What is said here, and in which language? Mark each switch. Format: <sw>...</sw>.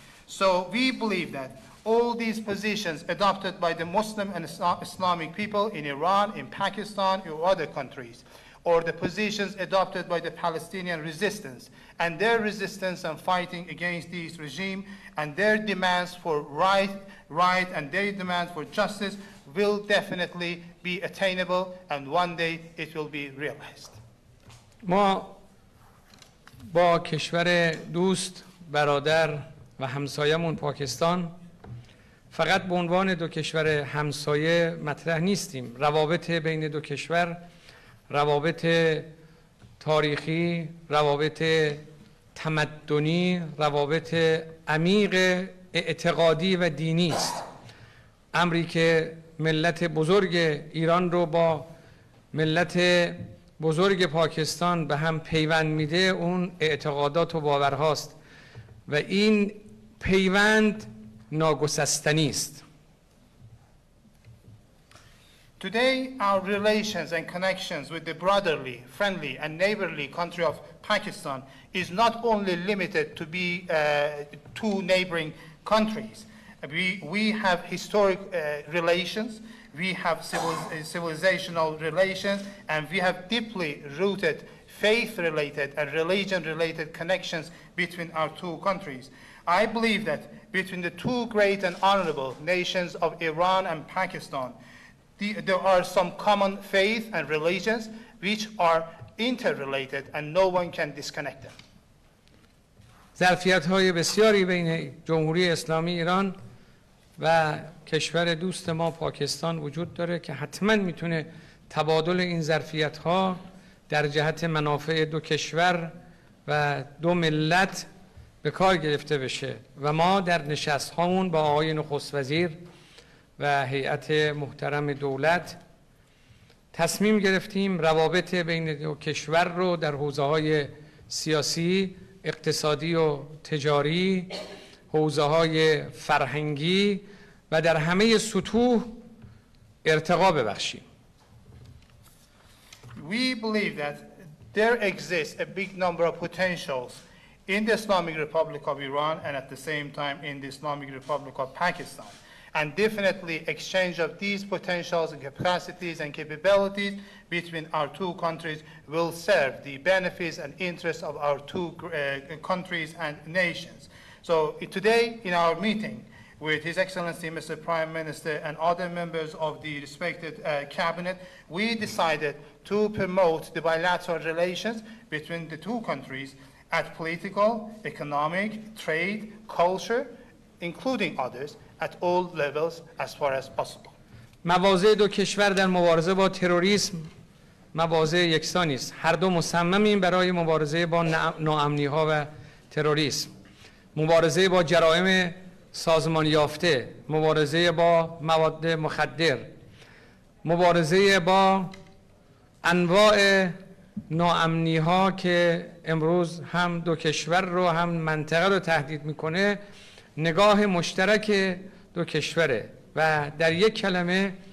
<en>So we believe that all these positions adopted by the Muslim and Islamic people in Iran, in Pakistan, or other countries, or the positions adopted by the Palestinian resistance and their resistance and fighting against this regime and their demands for right and their demands for justice will definitely be attainable and one day it will be realized.</en> <fa>ما با کشور دوست، برادر و همسایه‌مون پاکستان فقط به عنوان دو کشور همسایه مطرح نیستیم. روابط بین دو کشور روابط تاریخی، روابط تمدنی، روابط عمیق اعتقادی و دینی است. امری که ملت بزرگ ایران رو با ملت بزرگ پاکستان به هم پیوند میده اون اعتقادات و باورهاست و این پیوند ناگسستنی است.</fa> <en>Today our relations and connections with the brotherly, friendly and neighborly country of Pakistan is not only limited to be two neighboring countries. We have historic relations, we have civilizational relations and we have deeply rooted faith-related and religion-related connections between our two countries. I believe that between the two great and honorable nations of Iran and Pakistan, there are some common faith and religions which are interrelated and no one can disconnect them.</en> <fa>ظرفیت‌های بسیاری بین جمهوری اسلامی ایران و کشور دوست ما پاکستان وجود داره که حتما میتونه تبادل این ظرفیت‌ها در جهت منافع دو کشور و دو ملت به کار گرفته بشه و ما در نشست هامون با آقای نخست وزیر و هیئت محترم دولت تصمیم گرفتیم روابط بین دو کشور رو در حوزه های سیاسی، اقتصادی و تجاری، حوزه های فرهنگی و در همه سطوح ارتقا ببخشیم.</fa> <en>We believe that there exists a big number of potentials in the Islamic Republic of Iran and at the same time in the Islamic Republic of Pakistan. And definitely exchange of these potentials and capacities and capabilities between our two countries will serve the benefits and interests of our two countries and nations. So today in our meeting with His Excellency Mr. Prime Minister and other members of the respected cabinet, we decided to promote the bilateral relations between the two countries at political, economic, trade, culture, including others, at all levels as far as possible.</en> <fa>مواضع دو کشور در مبارزه با تروریسم مواضع یکسانی است. هر دو مصممیم برای مبارزه با ناامنی‌ها و تروریسم. مبارزه با جرائم سازمان یافته، مبارزه با مواد مخدر، مبارزه با انواع ناامنی‌ها که امروز هم دو کشور رو هم منطقه رو تهدید می‌کنه، نگاه مشترک دو کشوره و در یک کلمه</fa>